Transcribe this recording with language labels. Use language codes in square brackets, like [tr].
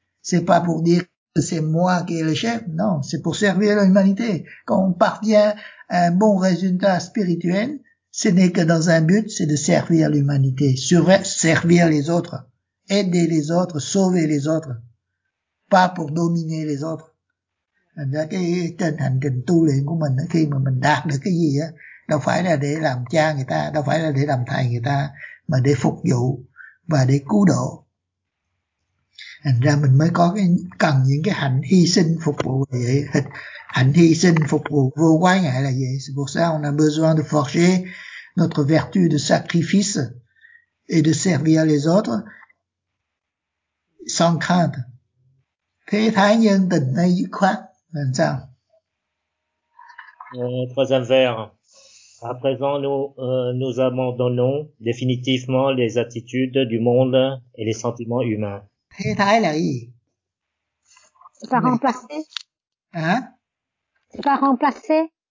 [fr] C'est pas pour dire que c'est moi qui est le chef, non, c'est pour servir l'humanité. Quand on parvient à un bon résultat spirituel, ce n'est que dans un but, c'est de servir l'humanité, servir les autres, aider les autres, sauver les autres, pas pour dominer les autres. [vi] Cái tinh thần trình tu luyện của mình khi mà mình đạt được cái gì á, đâu phải là để làm cha người ta, đâu phải là để làm thầy người ta, mà để phục vụ và để cứu độ. Thành ra mình mới có cần những cái hạnh hy sinh phục vụ vậy. Hạnh hy sinh phục vụ vô quái ngại là vậy. [fr] C'est pour ça on a besoin de forger notre vertu de sacrifice et de servir les autres sans crainte. [vi] Thế thái nhân tình ấy dứt khoát. Làm sao? [fr] Troisième vers. À présent, nous abandonnons définitivement les attitudes du monde et les sentiments humains. [vi] Thế thái là gì? [fr] C'est pas remplacé. Hein? C'est pas remplacé.